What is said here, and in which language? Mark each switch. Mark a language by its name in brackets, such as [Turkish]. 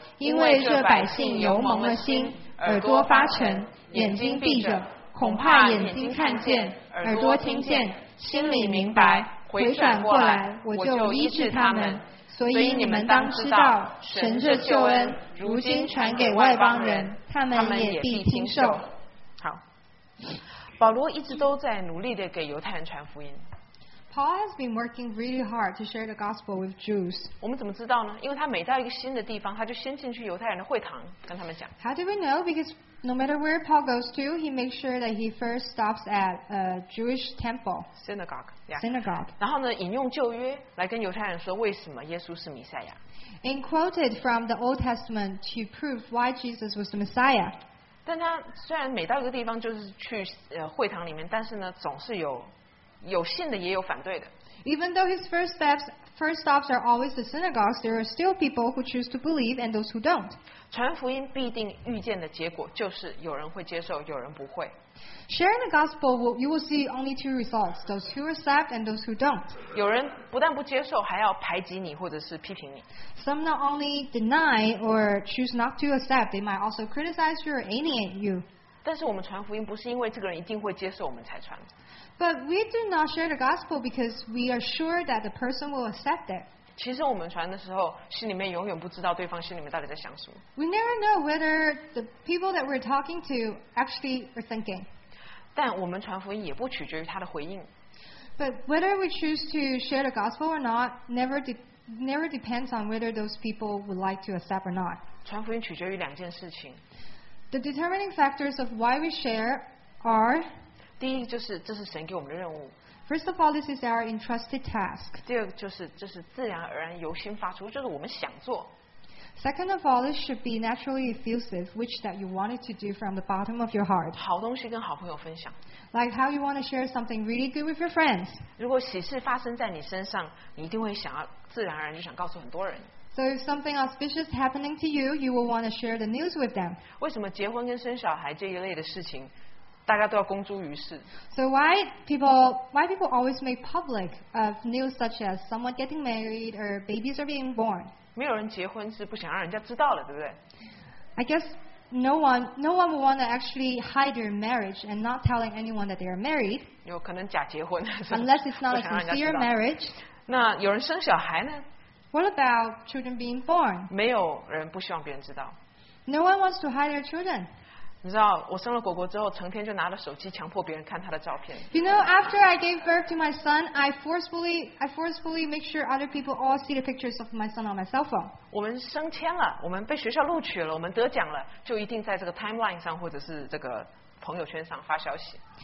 [Chinese] 因为这百姓有蒙了心，耳朵发沉，眼睛闭着，恐怕眼睛看见，耳朵听见，心里明白，回转过来，我就医治他们。所以你们当知道，神这救恩如今传给外邦人，他们也必听受。好，保罗一直都在努力地给犹太人传福音。 [English] Paul has been working really hard to share the gospel with Jews. [Chinese] 我们怎么知道呢？因为他每到一个新的地方，他就先进去犹太人的会堂跟他们讲。 [English] How do we know? Because no matter where Paul goes to, he makes sure that he first stops at a Jewish temple. Synagogue. Yeah. Synagogue. [Chinese] 然后呢，引用旧约来跟犹太人说为什么耶稣是弥赛亚。 [English] And quoted from the Old Testament to prove why Jesus was the Messiah. [Chinese] 但他虽然每到一个地方就是去会堂里面，但是呢，总是有信的也有反对的。 [English] Even though his first stops are always the synagogues, there are still people who choose to believe and those who don't. [Chinese] 传福音必定遇见的结果就是有人会接受，有人不会。 [English] Sharing the gospel, you will see only two results: those who accept and those who don't. [Chinese] 有人不但不接受，还要排挤你或者是批评你。 [English] Some not only deny or choose not to accept, they might also criticize you or alienate you. [Chinese] 但是我们传福音不是因为这个人一定会接受我们才传。 [English] But we do not share the gospel because we are sure that the person will accept it. [Chinese] 其实我们传的时候，心里面永远不知道对方心里面到底在想什么。 [English] We never know whether the people that we're talking to actually are thinking. [Chinese] 但我们传福音也不取决于他的回应。 [English] But whether we choose to share the gospel or not never depends on whether those people would like to accept or not. [Chinese] 传福音取决于两件事情。 [English] The determining factors of why we share are. [Chinese] 第一就是这是神给我们的任务。 [English] First of all, this is our entrusted task. [Chinese] 第二个就是自然而然由心发出，就是我们想做。 [English] Second of all, it should be naturally effusive, which that you wanted to do from the bottom of your heart. [Chinese] 好东西跟好朋友分享。 [English] Like how you want to share something really good with your friends. [Chinese] 如果喜事发生在你身上，你一定会想要自然而然就想告诉很多人。 [English] So if something auspicious happening to you, you will want to share the news with them. [Chinese] 为什么结婚跟生小孩这一类的事情，大家都要公诸于世？ [English] So why people always make public of news such as someone getting married or babies are being born? [Chinese] 没有人结婚是不想让人家知道了，对不对？ [English] I guess no one would want to actually hide their marriage and not telling anyone that they are married. [Chinese] 有可能假结婚。 [English] Unless it's not a sincere marriage. [Chinese] 那有人生小孩呢？ [English] What about children being born? [Chinese] 没有人不希望别人知道。 [English] No one wants to hide their children. [Chinese] 你知道，我生了果果之后，成天就拿着手机强迫别人看他的照片。 [English] You know, after I gave birth to my son, I forcefully make sure other people all see the pictures of my son on my cell phone. [Chinese] 我们升迁了，我们被学校录取了，我们得奖了，就一定在这个 timeline 上或者是这个朋友圈上发消息。